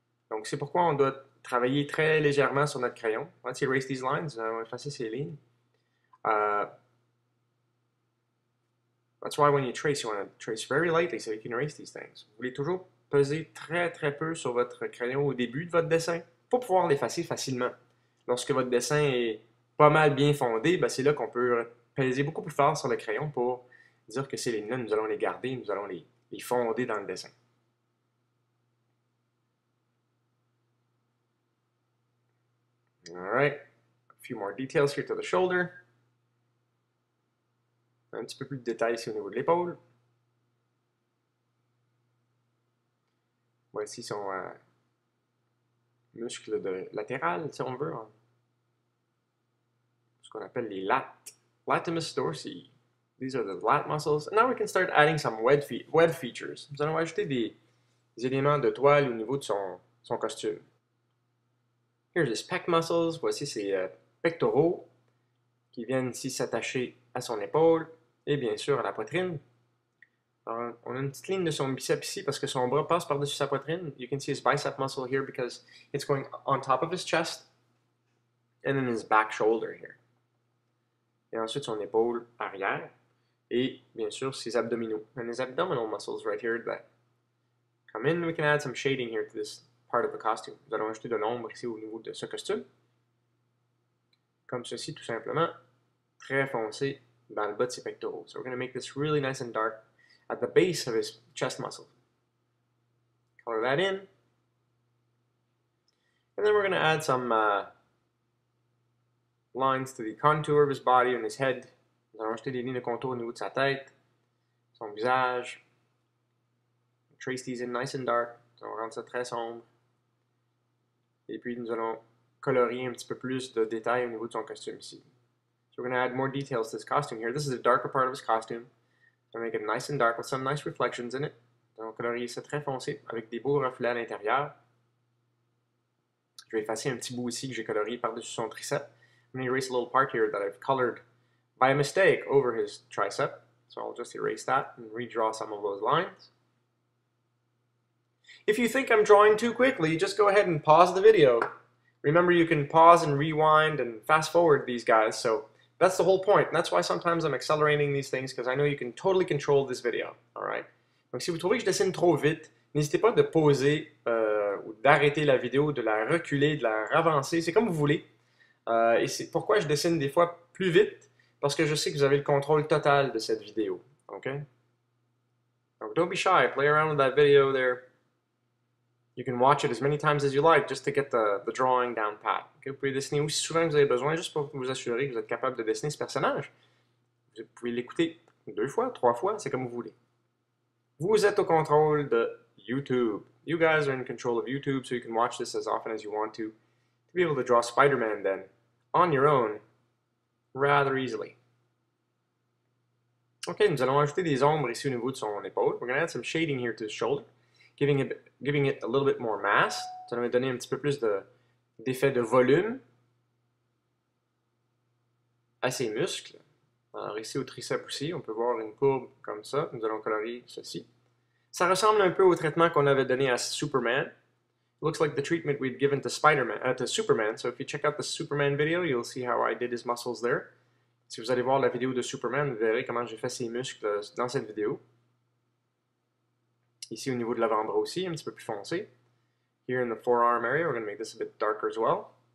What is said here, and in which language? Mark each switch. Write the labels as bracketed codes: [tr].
[fr] Donc c'est pourquoi on doit travailler très légèrement sur notre crayon. [en] Let's erase these lines, [fr] on va effacer ces lignes. [en] That's why when you want to trace very lightly so you can erase these things. [fr] Vous voulez toujours peser très, très peu sur votre crayon au début de votre dessin pour pouvoir l'effacer facilement. Lorsque votre dessin est pas mal bien fondé, ben c'est là qu'on peut peser beaucoup plus fort sur le crayon pour dire que ces lignes-là, nous allons les garder, nous allons les fonder dans le dessin. [en] Alright, a few more details here to the shoulder. [fr] Un petit peu plus de détails ici au niveau de l'épaule. Voici son muscle de latéral, si on veut. Hein. Ce qu'on appelle les lats. Latimus dorsi. [en] These are the lat muscles. And now we can start adding some web features. [fr] Nous allons ajouter des éléments de toile au niveau de son costume. [en] Here's his pec muscles. [fr] Voici ses pectoraux qui viennent ici s'attacher à son épaule et bien sûr à la poitrine. Alors, on a une petite ligne de son bicep ici parce que son bras passe par-dessus sa poitrine. [en] You can see his bicep muscle here because it's going on top of his chest and then his back shoulder here. [fr] Et ensuite, son épaule arrière. Et, bien sûr, ses abdominaux. [en] And his abdominal muscles right here that come in. We can add some shading here to this part of the costume. [fr] Nous allons ajouter de l'ombre ici au niveau de ce costume. Comme ceci, tout simplement. Très foncé dans le bas de ses pectoraux. [en] So we're going to make this really nice and dark at the base of his chest muscle. Color that in. And then we're going to add some lines to the contour of his body and his head. [fr] Nous allons ajouter des lignes de contour au niveau de sa tête, son visage. [en] Trace these in nice and dark. [fr] Nous allons rendre ça très sombre. Et puis nous allons colorier un petit peu plus de détails au niveau de son costume ici. [en] So we're going to add more details to this costume here. This is a darker part of his costume. We're going to make it nice and dark with some nice reflections in it. [fr] Nous allons colorier ça très foncé avec des beaux reflets à l'intérieur. Je vais effacer un petit bout ici que j'ai colorié par-dessus son tricep. [en] I'm going to erase a little part here that I've colored by a mistake over his tricep. So I'll just erase that and redraw some of those lines. If you think I'm drawing too quickly, just go ahead and pause the video. Remember, you can pause and rewind and fast forward these guys. So that's the whole point. And that's why sometimes I'm accelerating these things, because I know you can totally control this video. All right. [fr] Donc si vous trouvez que je dessine trop vite, n'hésitez pas de pauser ou d'arrêter la vidéo, de la reculer, de la ravancer. C'est comme vous voulez. Et c'est pourquoi je dessine des fois plus vite, parce que je sais que vous avez le contrôle total de cette vidéo. [en] okay? Oh, don't be shy. Play around with that video there. You can watch it as many times as you like just to get the drawing down pat. Okay? [fr] Vous pouvez dessiner aussi souvent que vous avez besoin juste pour vous assurer que vous êtes capable de dessiner ce personnage. Vous pouvez l'écouter deux fois, trois fois, c'est comme vous voulez. Vous êtes au contrôle de YouTube. [en] You guys are in control of YouTube, so you can watch this as often as you want to be able to draw Spider-Man then, on your own, rather easily. [fr] Okay, nous allons ajouter des ombres ici au niveau de son épaule. [en] We're going to add some shading here to his shoulder, giving it a little bit more mass. [fr] Ça va donner un petit peu plus d'effet de volume à ses muscles. Alors ici au triceps aussi, on peut voir une courbe comme ça. Nous allons colorier ceci. Ça ressemble un peu au traitement qu'on avait donné à Superman. [en] It looks like the treatment we'd given to Spider-Man, to Superman. So if you check out the Superman video, you'll see how I did his muscles there. [fr] Si vous allez voir la vidéo de Superman, vous verrez comment j'ai fait ses muscles dans cette vidéo. Ici au niveau de l'avant-bras aussi, un petit peu plus foncé. [en] Here in the forearm area, we're going to make this a bit darker as well.